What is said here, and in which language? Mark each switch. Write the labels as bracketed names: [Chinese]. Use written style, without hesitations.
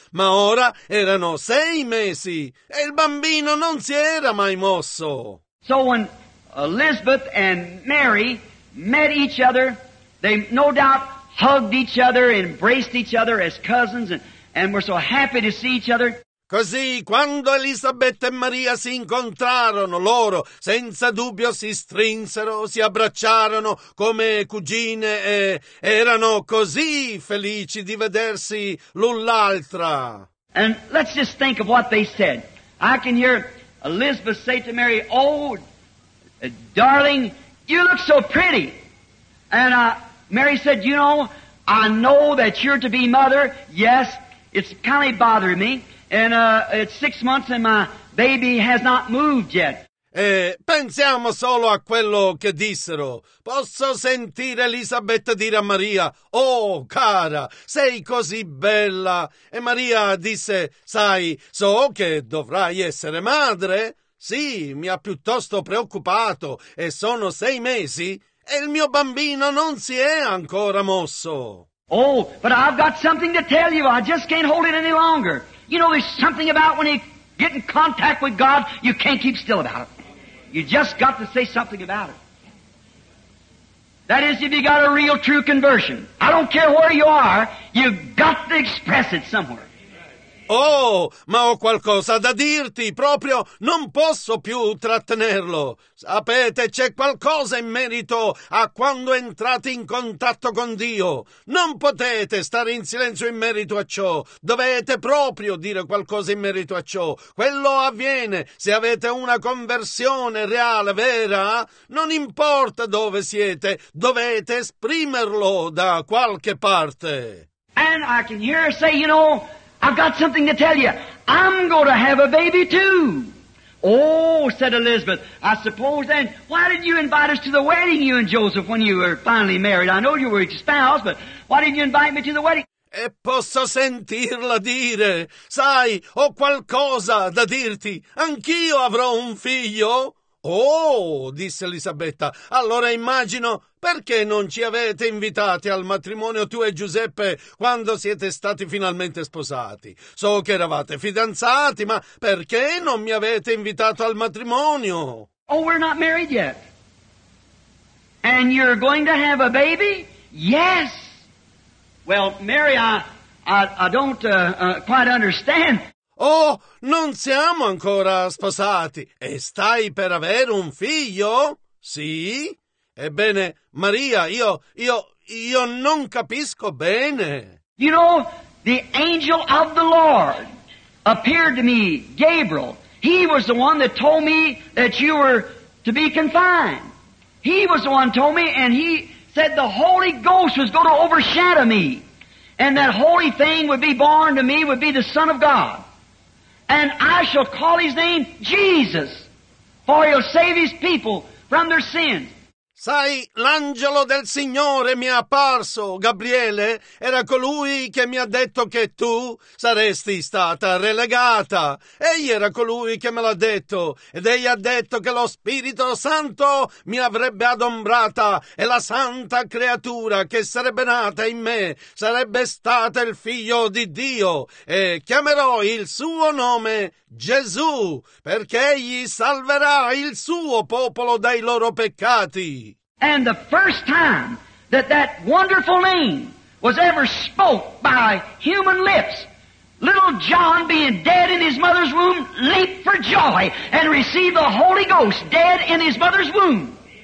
[Italian] Ma ora erano 6 mesi e il bambino non si era mai mosso. [English] So when Elizabeth and Mary met each other, they no doubt hugged each other, embraced each other as cousins, and were so happy to see each other. [Italian] Così, quando Elisabetta e Maria si incontrarono, loro senza dubbio si strinsero, si abbracciarono come cugine e erano così felici di vedersi l'un l'altra. [English] And let's just think of what they said. I can hear Elizabeth say to Mary, "Oh, darling, you look so pretty." And Mary said, "You know, I know that you're to be mother. Yes, It's kind of bothering me, and it's 6 months and my baby has not moved yet. [Italian] Pensiamo solo a quello che dissero. Posso sentire Elisabetta dire a Maria: «Oh, cara, sei così bella!» E Maria disse: «Sai, so che dovrai essere madre?» «Sì, mi ha piuttosto preoccupato, e sono 6 mesi, e il mio bambino non si è ancora mosso!» [English] «Oh, but I've got something to tell you, I just can't hold it any longer. You know, there's something about when you get in contact with God, you can't keep still about it. You just got to say something about it. That is, if you got a real true conversion. I don't care where you are, you got to express it somewhere.» [Italian] «Oh, ma ho qualcosa da dirti, proprio non posso più trattenerlo. Sapete, c'è qualcosa in merito a quando entrate in contatto con Dio. Non potete stare in silenzio in merito a ciò. Dovete proprio dire qualcosa in merito a ciò. Quello avviene se avete una conversione reale, vera. Non importa dove siete, dovete esprimerlo da qualche parte.» [English] «And I can hear her say, you know, I've got something to tell you. I'm going to have a baby too.» «Oh», said Elizabeth, «I suppose then, why did you invite us to the wedding, you and Joseph, when you were finally married? I know you were espoused, but why didn't you invite me to the wedding?» [Italian] «E posso sentirla dire: sai, ho qualcosa da dirti. Anch'io avrò un figlio.» «Oh», disse Elisabetta, «allora immagino, perché non ci avete invitati al matrimonio tu e Giuseppe quando siete stati finalmente sposati? So che eravate fidanzati, ma perché non mi avete invitato al matrimonio?» [English] «Oh, we're not married yet. And you're going to have a baby? Yes! Well, Mary, I don't quite understand.» [Italian] «Oh, non siamo ancora sposati. E stai per avere un figlio? Sì? Ebbene, Maria, io non capisco bene.» [English] «You know, the angel of the Lord appeared to me, Gabriel. He was the one that told me that you were to be confined. He was the one told me, and he said the Holy Ghost was going to overshadow me. And that holy thing would be born to me, would be the Son of God. And I shall call his name Jesus, for he'll save his people from their sins.» [Italian] «Sai, l'angelo del Signore mi è apparso, Gabriele. Era colui che mi ha detto che tu saresti stata relegata. Egli era colui che me l'ha detto. Ed egli ha detto che lo Spirito Santo mi avrebbe adombrata e la santa creatura che sarebbe nata in me sarebbe stata il Figlio di Dio. E chiamerò il suo nome Gesù, perché egli salverà il suo popolo dai loro peccati.» [English] And the first time that that wonderful name was ever spoke by human lips, little John, being dead in his mother's womb, leaped for joy and received the Holy Ghost dead in his mother's womb.